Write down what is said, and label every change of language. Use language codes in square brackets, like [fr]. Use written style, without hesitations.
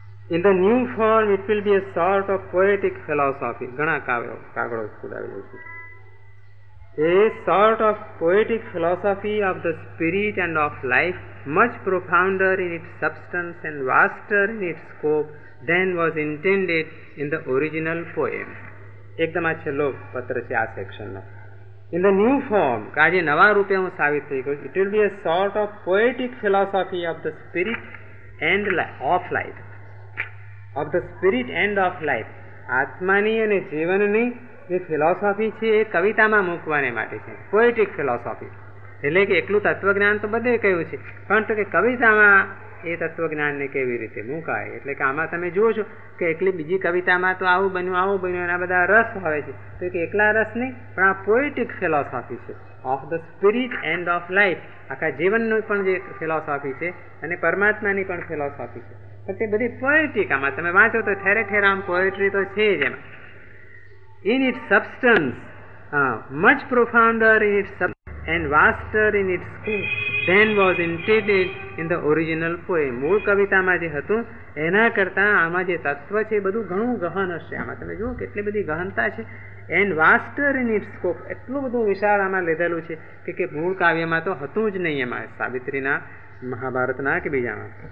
[en] In the new form it will be a sort of poetic philosophy. [gu] ઘણા કાવ્યો કાગળો ખોદાવી દઉં છું. [en] A sort of poetic philosophy of the spirit and of life, much profounder in it substance and vaster in it scope than was intended in the original poem. [gu] એકદમ આ છેલ્લો પત્ર છે આ સેક્શનનો. [en] In the new form, [gu] આજે નવા રૂપે હું સાવિત્રી કહું, [en] it will be a sort of poetic philosophy of the spirit and of life. Of the spirit and of life. [gu] આત્માની અને જીવનની જે ફિલોસોફી છે એ કવિતામાં મૂકવાને માટે છે. પોએટિક ફિલોસોફી એટલે કે એકલું તત્વજ્ઞાન તો બધે કહ્યું છે, પણ તો કે કવિતામાં એ તત્વજ્ઞાનને કેવી રીતે મૂકાય. એટલે કે આમાં તમે જુઓ છો કે એકલી બીજી કવિતામાં તો આવું બન્યું આવું બન્યું એના બધા રસ હોય છે, તો કે એકલા રસ નહીં પણ આ પોએટિક ફિલોસોફી છે [en] Of the spirit and of life. [gu] આખા જીવનની પણ જે ફિલોસોફી છે અને પરમાત્માની પણ ફિલોસોફી છે, પણ તે બધી પોએટિક. આમાં તમે વાંચો તો ઠેરે ઠેર આમ પોએટ્રી તો છે જ એમાં. [en] In its substance, much profounder in its substance and vaster in its scope than was intended in the original poem. [gu] મૂળ કવિતામાં જે હતું એના કરતાં આમાં જે તત્વ છે એ બધું ઘણું ગહન હશે. આમાં તમે જુઓ કેટલી બધી ગહનતા છે. [en] and vaster in it scope, [gu] એટલું બધું વિશાળ આમાં લીધેલું છે કે મૂળ કાવ્યમાં તો હતું જ નહીં એમાં, સાવિત્રીના મહાભારતના કે બીજામાં.